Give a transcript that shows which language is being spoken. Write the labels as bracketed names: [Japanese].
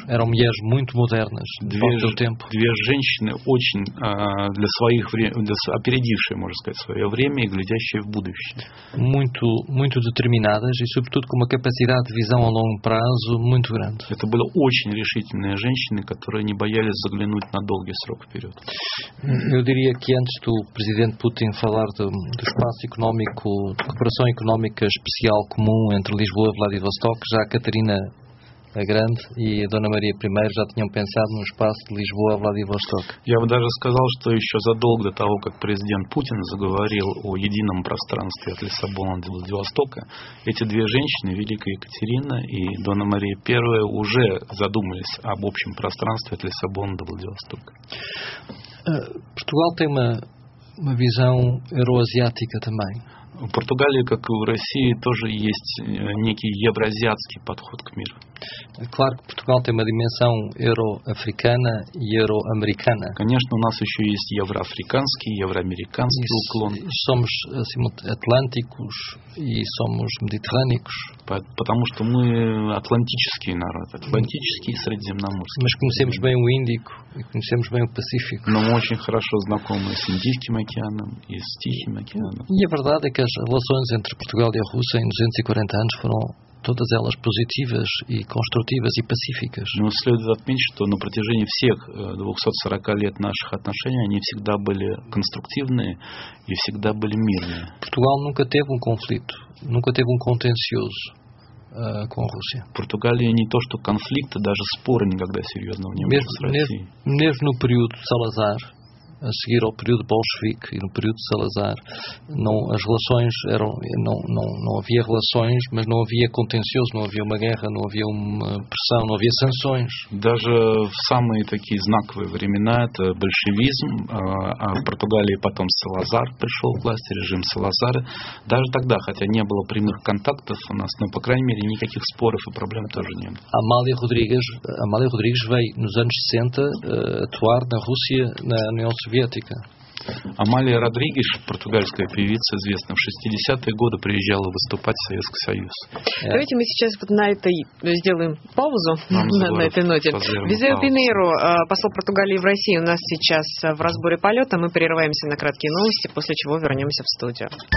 [Portuguese] Eram mulheres muito modernas do seu tempo. [Russian] Две женщины очень для своих опередившие, можно сказать, свое время и глядящие в будущее. [Portuguese] Muito, muito determinadas e sobretudo com uma capacidade de visão a longo prazo muito grande. [Russian] Это были очень решительные женщины, которые не боялись заглянуть на долгий срок вперед. [Portuguese] Eu diria que antes do presidente Putin falar do espaço económico, de cooperação económica especial comum entre Lisboa e Vladivostok, já a Catarina a Grande e a Dona Maria I já tinham pensado no espaço de Lisboa a Vladivostok. [Russian] Я бы даже сказал, что еще задолго до того, как президент Путин заговорил о едином пространстве от Лиссабона до Владивостока, эти две женщины, Великая Екатерина и Дона Мария I, уже задумались об общем пространстве от Лиссабона до Владивостока. [Portuguese] Португал tem uma visão euroasiática também. [Russian] В Португалии, как и в России, тоже есть некий евразиатский подход к миру. [Portuguese] Claro que Portugal tem uma dimensão euro-africana e euro-americana. [Russian] Конечно, у нас еще есть евро-африканский, евро-американский уклон. [Portuguese] Somos assim, atlânticos e somos mediterrânicos. [Russian] Потому что мы атлантический народ, атлантический и средиземноморский. [Portuguese] Mas conhecemos bem o Índico e conhecemos bem o Pacífico. [Russian] Но мы очень хорошо знакомы с Индийским океаном и с Тихим океаном. [Portuguese] E a verdade é que as relações entre Portugal e a Rússia em 240 anos foram todas elas positivas e construtivas e pacíficas. [Russian] Но следует отметить, что на протяжении всех 240 лет наших отношений они всегда были конструктивные и всегда были мирные. [Portuguese] Portugal nunca teve conflito, nunca teve contencioso com a Rússia. [Russian] Португалия не то что конфликта, даже спора никогда серьезного не было с Россией. [Portuguese] Mesmo no período de Salazar, a seguir ao período bolchevique e no período de Salazar. Não, as relações eram... Não havia relações, mas não havia contencioso, não havia uma guerra, não havia uma pressão, não havia sanções. [Russian] Даже в самые такие знаковые времена, это большевизм, а в Португалии потом Салазар пришел к власти, режим Салазара. Даже тогда, хотя не было прямых контактов у нас, но, по крайней мере, никаких споров и проблем тоже не было. [Portuguese] Амалия Родригес veio nos anos 60 atuar na Rússia, na União Soviética. [Russian] Амалия Родригес, португальская певица, известная в 60-е годы, приезжала выступать в Советский Союз. Давайте мы сейчас вот на этой сделаем паузу, на этой ноте. Визео Пинейро, посол Португалии в России, у нас сейчас в разборе полета. Мы прерываемся на краткие новости, после чего вернемся в студию.